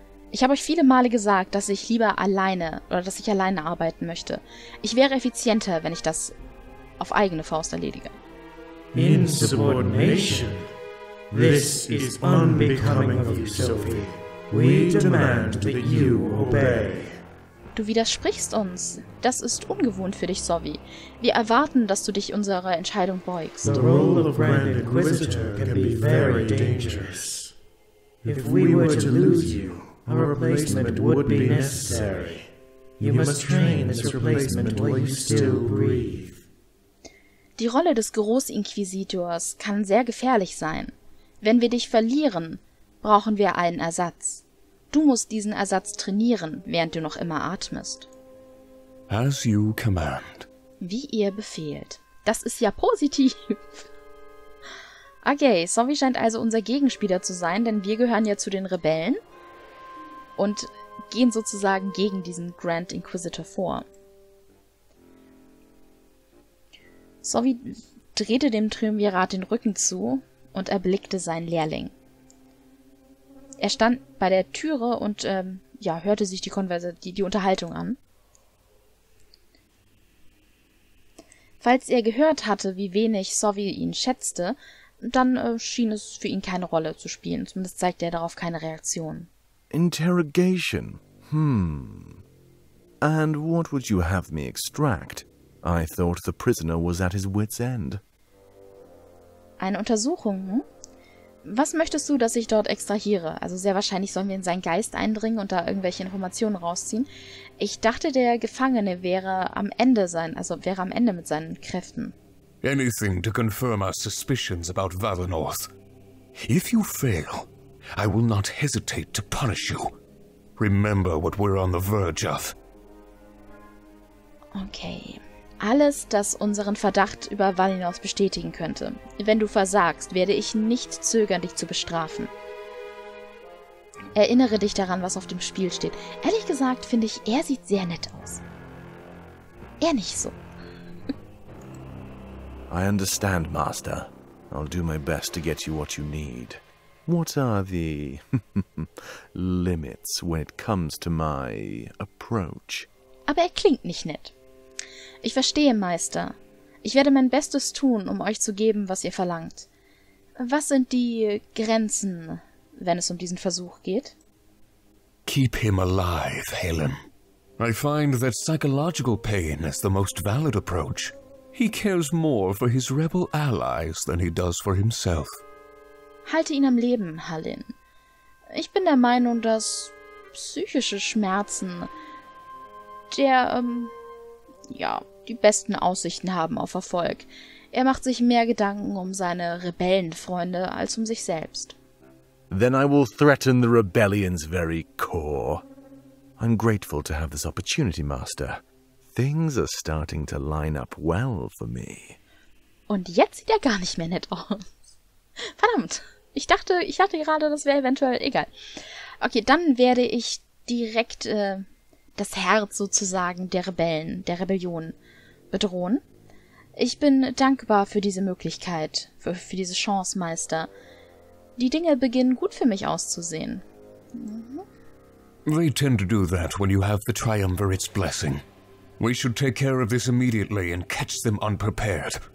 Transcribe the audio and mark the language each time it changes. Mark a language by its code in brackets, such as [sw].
[de] Ich habe euch viele Male gesagt, dass ich lieber alleine oder dass ich alleine arbeiten möchte. Ich wäre effizienter, wenn ich das auf eigene Faust erledige. [en] Insubordination. This is unbecoming of you, Sophie. We demand that you obey. [de] Du widersprichst uns. Das ist ungewohnt für dich, Sophie. Wir erwarten, dass du dich unserer Entscheidung beugst. [en] The role of Grand Inquisitor can be very dangerous. If we were to lose you, a replacement would be necessary. You must train this replacement while you still breathe. [de] Die Rolle des Großinquisitors kann sehr gefährlich sein. Wenn wir dich verlieren, brauchen wir einen Ersatz. Du musst diesen Ersatz trainieren, während du noch immer atmest. [en] As you command. [de] Wie ihr befehlt. Das ist ja positiv. Okay, Sophie scheint also unser Gegenspieler zu sein, denn wir gehören ja zu den Rebellen und gehen sozusagen gegen diesen Grand Inquisitor vor. Sophie drehte dem Triumvirat den Rücken zu und erblickte seinen Lehrling. Er stand bei der Türe und hörte sich die Unterhaltung an. Falls er gehört hatte, wie wenig Sophie ihn schätzte, dann schien es für ihn keine Rolle zu spielen. Zumindest zeigte er darauf keine Reaktion. [en] Interrogation. And what would you have me extract? I thought the prisoner was at his wit's end. [de] Eine Untersuchung, hm? Was möchtest du, dass ich dort extrahiere? Also sehr wahrscheinlich sollen wir in seinen Geist eindringen und da irgendwelche Informationen rausziehen. Ich dachte, der Gefangene wäre am Ende mit seinen Kräften. [en] Anything to confirm our suspicions about Valinorth. If you fail, I will not hesitate to punish you. Remember what we're on the verge of. Okay. [de] Alles, das unseren Verdacht über Valinor bestätigen könnte. Wenn du versagst, werde ich nicht zögern, dich zu bestrafen. Erinnere dich daran, was auf dem Spiel steht. Ehrlich gesagt, finde ich, er sieht sehr nett aus. Er nicht so. [en] I understand, Master. I'll do my best to get you what you need. What are the limits when it comes to my approach? [de] Aber er klingt nicht nett. Ich verstehe, Meister. Ich werde mein Bestes tun, um euch zu geben, was ihr verlangt. Was sind die Grenzen, wenn es um diesen Versuch geht? [en] Keep him alive, Helen. I find that psychological pain is the most valid approach. He cares more for his rebel allies than he does for himself. [de] Halte ihn am Leben, Helen. Ich bin der Meinung, dass psychische Schmerzen die besten Aussichten haben auf Erfolg. Er macht sich mehr Gedanken um seine Rebellenfreunde als um sich selbst. [en] Then I will threaten the Rebellion's very core. I'm grateful to have this opportunity, Master. Things are starting to line up well for me. [de] Und jetzt sieht er gar nicht mehr nett aus. Verdammt, ich dachte gerade, das wäre eventuell egal. Okay, dann werde ich direkt das Herz sozusagen der Rebellion bedrohen. Ich bin dankbar für diese Möglichkeit, für diese Chance, Meister. Die Dinge beginnen gut für mich auszusehen. [en] They tend to do that when you have the Triumvirate's blessing. We should take care of this immediately and catch them unprepared.